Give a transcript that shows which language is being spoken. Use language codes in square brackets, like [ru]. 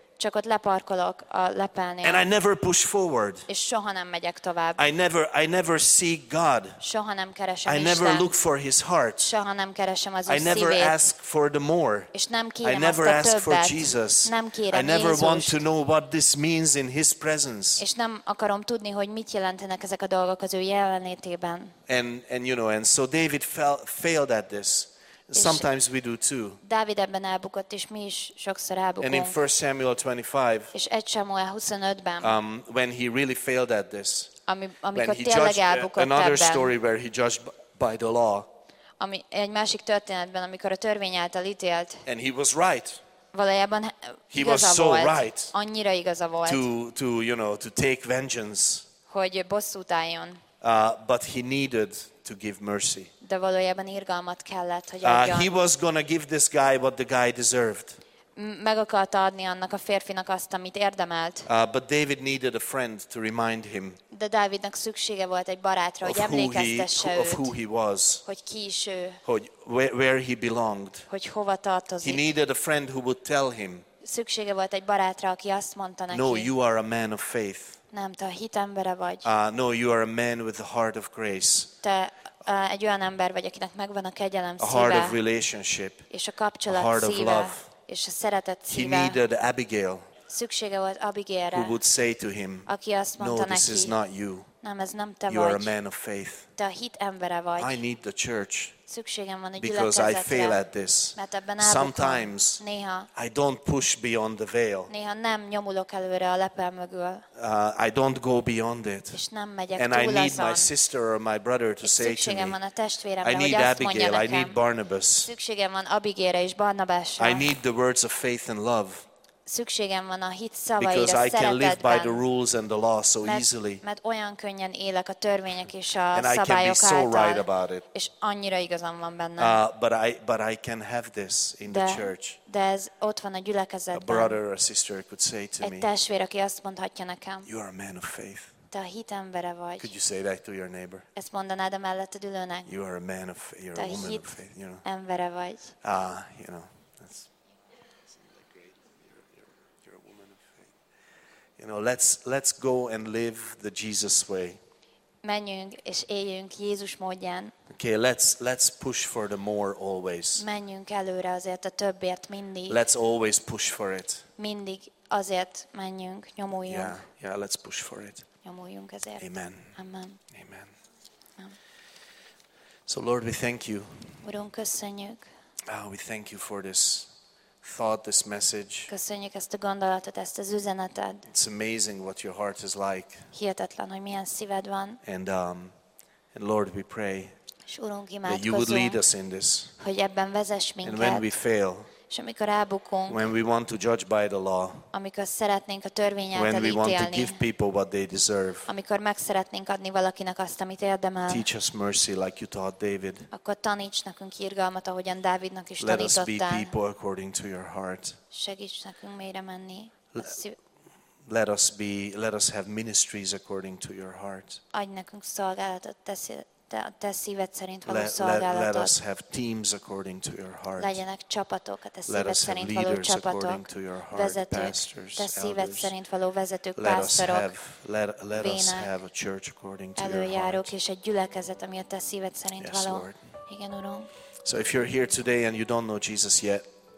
[hu] Csak ott leparkolok a lepelnél. [en] And I never push forward. [hu] És soha nem megyek tovább. [en] I never see God. [hu] Soha nem keresem [en] Istent. I never look for his heart. [hu] Soha nem keresem az ő szívét. [en] I never ask for the more. [hu] És nem kérem [en] I never ask for Jesus. [hu] Nem kérem Jézust. [en] I never want to know what this means in his presence. [hu] És nem akarom tudni, hogy mit jelentenek ezek a dolgok az ő jelenlétében. [en] And you know, and so David failed at this. Sometimes we do too. [hu] Dávid ebben elbukott, és mi is sokszor elbukunk. [en] And in 1 Samuel 25. [hu] És 1 Samuel 25-ben. [en] When he really failed at this. [hu] Amikor tényleg elbukott ebben. Another ebben, [en] story where he judged by the law. [hu] Ami egy másik történetben, amikor a törvény által ítélt. [en] And he was right. [hu] Valójában [en] he was so [hu] volt, [en] right. [hu] Annyira igaza volt. [en] To you know, to take vengeance. [hu] Hogy bosszút álljon. [en] But he needed to give mercy. [hu] De valójában irgalmat kellett, hogy adjon. [en] He was gonna give this guy what the guy deserved. [hu] Meg akarta adni annak a férfinak azt, amit érdemelt. [en] But David needed a friend to remind him. [hu] De Dávidnak szüksége volt egy barátra, hogy emlékeztesse őt. [en] Of who he was. [hu] Hogy ki is ő. [en] Hogy where he belonged. [hu] Hogy hova tartozik. [en] He needed a friend who would tell him. [hu] Szüksége volt egy barátra, aki azt mondta neki. [en] No, you are a man of faith. [hu] Nem, te a hit embere vagy. [en] No, you are a man with a heart of grace. [hu] Te egy olyan ember vagy, akinek megvan a kegyelem szíve. [en] A heart of relationship. [hu] És a kapcsolat [en] a heart [hu] szíve. [en] Of love. [hu] És a szeretet szíve. [en] He needed Abigail. [hu] Szüksége volt Abigailre. [en] Who would say to him, [hu] aki azt mondta [en] no, this [hu] neki, [en] is not you. [hu] Nem, ez nem te [en] you [hu] vagy. [en] Are a man of faith. [hu] Te a hit embere vagy. [en] I need the church. [hu] Szükségem van a [en] because I fail at this. Sometimes [hu] néha, [en] I don't push beyond the veil. [hu] Néha nem nyomulok előre a lepel mögül. [en] I don't go beyond it. [hu] És nem megyek [en] and [hu] túl [en] I need [hu] azon. [en] My sister or my brother to [hu] és [en] say to me, [hu] van a testvéremre, [en] I need [hu] hogy [en] Abigail, [hu] nekem, [en] I need Barnabas. [hu] Szükségem van Abigailre és Barnabásra. [en] I need the words of faith and love. [hu] szükségem van a hit szavaira, szeretetben. [en] Because I can live by the rules and the law so easily. [hu] Mert olyan könnyen élek a törvények és a szabályok által. [en] And I can be so right about it. [hu] És annyira igazam van benne. [en] But I can have this in the church. [hu] De ez ott van a gyülekezetben. [en] A brother or a sister could say to me. [hu] Egy testvér, aki azt mondhatja nekem. [en] You are a man of faith. [hu] Te a hit embere vagy. [en] Could you say that to your neighbor? [hu] Ezt mondanád a melletted ülőnek. [en] You are a man of, you're a woman of faith. You know. [hu] Embere vagy. [en] You know. You know, let's go and live the Jesus way. [hu] Menjünk és éljünk Jézus módján. [en] Okay, let's push for the more always. [hu] Menjünk előre azért a többért mindig. [en] Let's always push for it. [hu] Mindig azért menjünk, nyomuljunk. [en] Yeah, let's push for it. [hu] Nyomuljunk ezért. [en] Amen. Amen. Amen. So Lord, we thank you. [hu] Urunk, köszönjük. [en] Oh, we thank you for this thought, this message. [hu] Köszönjük ezt a gondolatot, ezt az üzenetet. [en] It's amazing what your heart is like. [hu] Hihetetlen, hogy milyen szíved van. [en] And Lord, we pray. [hu] És Urunk, [en] imádkozunk. That you would lead us in this. [hu] Hogy ebben vezess minket. [en] And when we fail. [hu] És amikor elbukunk. [en] When we want to judge by the law. [hu] Amikor szeretnénk a törvény által ítélni. [en] When we want to give people what they deserve. [hu] Amikor meg szeretnénk adni valakinek azt, amit érdemel. [en] Teach us mercy like you taught David. [hu] Akkor taníts nekünk irgalmat, ahogyan Dávidnak is tanítottál. [en] Let us be people according to your heart. [hu] Segíts nekünk mélyre menni. [en] Let us have ministries according to your heart. [hu] Adj nekünk szolgálatot, te szíved szerint való szolgálatot. [en] Let us have teams according to your heart. [hu] Legyenek csapatok, a te szíved szerint való csapatok. Vezetők, te szíved szerint való vezetők, pásztorok, vének, előjárók, és egy gyülekezet, ami a te szíved szerint való. Igen, Urunk. [en] So if you're here today and you don't know Jesus yet,